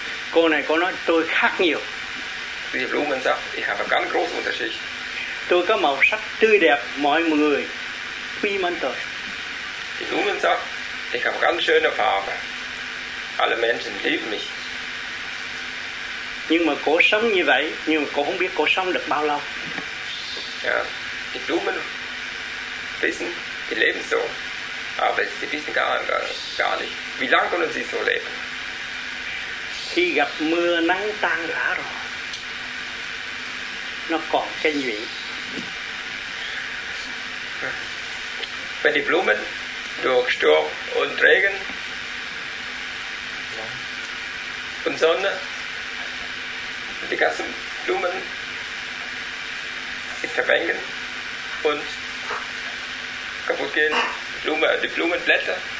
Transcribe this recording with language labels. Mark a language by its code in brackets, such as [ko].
[vi] Cô này có nói tôi khác nhiều. [de] Diese Blumen sagt, ich habe ganz große Unterschied. [vi] Tôi có màu sắc tươi đẹp, mọi người quy mến tôi. [de] Die Blumen sagt, ich habe ganz schöne Farbe. Alle Menschen lieben mich. [vi] Nhưng mà cổ sống như vậy, nhưng mà cổ không biết cổ sống được bao lâu. [de] Ja, die Blumen wissen, die leben so. Aber sie wissen gar nicht, wie lange können sie so leben. [vi] Khi gặp mưa nắng tan rã rồi, nó còn cái gì? [de] Wenn die Blumen durch Sturm und Regen und Sonne, die ganzen Blumen verwelken und kaputt gehen, die Blumenblätter